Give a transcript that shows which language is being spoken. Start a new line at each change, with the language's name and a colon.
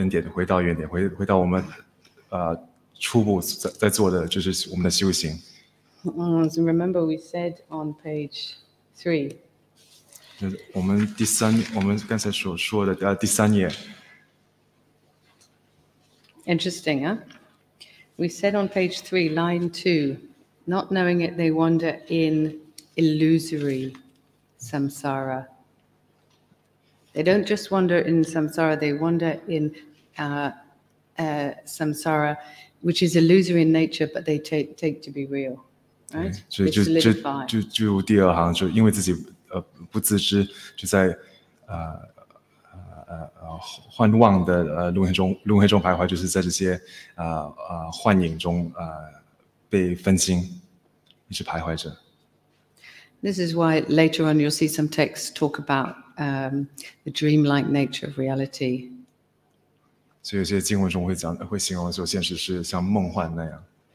Chinese: 回到原点，回到我们初步在做的就是我们的修行。
English: So remember we said on page 3.
Chinese: 我们刚才所说的第三页。
English: Interesting, huh? We said on page 3, line 2, not knowing it, they wander in illusory samsara. They don't just wander in samsara, they wander in samsara, which is illusory in nature, but they take to be real. Right?
Chinese: 所以就第二行，就因为自己不自知，就在幻妄的轮回中徘徊，就是在这些幻影中被分心，一直徘徊着。
English: This is why later on you'll see some texts talk about the dreamlike nature of reality.
Chinese: 所以有些经文中会形容说，现实是像梦幻那样。